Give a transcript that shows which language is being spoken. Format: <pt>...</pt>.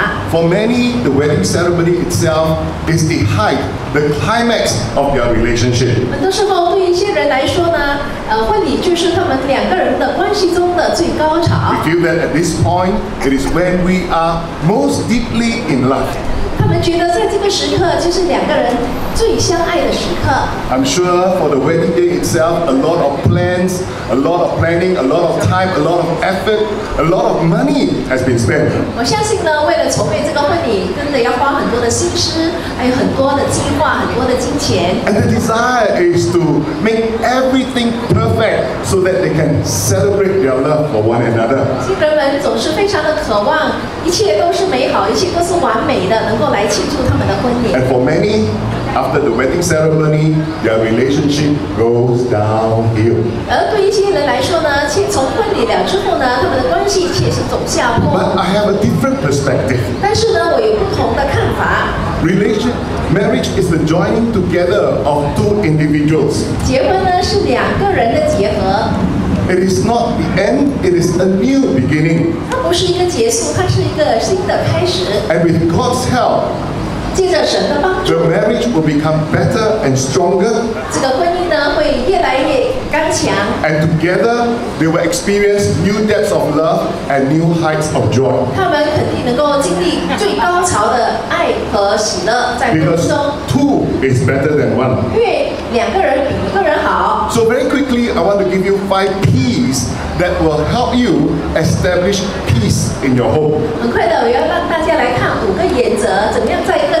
<en>For many, the wedding ceremony itself is the height, the climax of your relationship.</en> <zh>很多时候，对一些人来说呢，婚礼就是他们两个人的关系中的最高潮。</zh> <en>We feel that at this point, it is when we are most deeply in love.</en> <zh>他们觉得在这个时刻就是两个人最相爱的时刻。</zh> <en>I'm sure for the wedding day itself, a lot of plans, a lot of planning, a lot of time, a lot of effort, a lot of money has been spent.</en> <zh>我相信呢，为了筹备这个婚礼，真的要花很多的心思，还有很多的计划，很多的金钱。</zh> <en>And the desire is to make everything perfect so that they can celebrate their love for one another.</en> <zh>新人们总是非常的渴望，一切都是美好，一切都是完美的，能够来庆祝他们的婚礼。</zh> <en>And for many,After the wedding ceremony, their relationship goes downhill.</en> <zh>而对一些人来说呢，从婚礼了之后呢，他们的关系却是走下坡。</zh> <en>But I have a different perspective.</en> <zh>但是呢，我有不同的看法。</zh> <en>Relation, marriage is the joining together of two individuals.</en> <zh>结婚呢是两个人的结合。</zh> <en>It is not the end, it is a new beginning.</en> <zh>它不是一个结束，它是一个新的开始。</zh> <en>And with God's help,</en> <zh>借着神的帮助</zh> <en>the marriage will become better and stronger.</en> <zh>这个婚姻呢会越来越刚强</zh> <en>And together, they will experience new depths of love and new heights of joy.</en> <zh>他们肯定能够经历最高潮的爱和喜乐在婚姻中</zh> <en>Because two is better than one.</en> <zh>因为两个人比一个人好</zh> <en>So very quickly, I want to give you five P's that will help you establish peace in your home.</en> <zh>很快的，我要让大家来看五个原则，怎么样在</zh>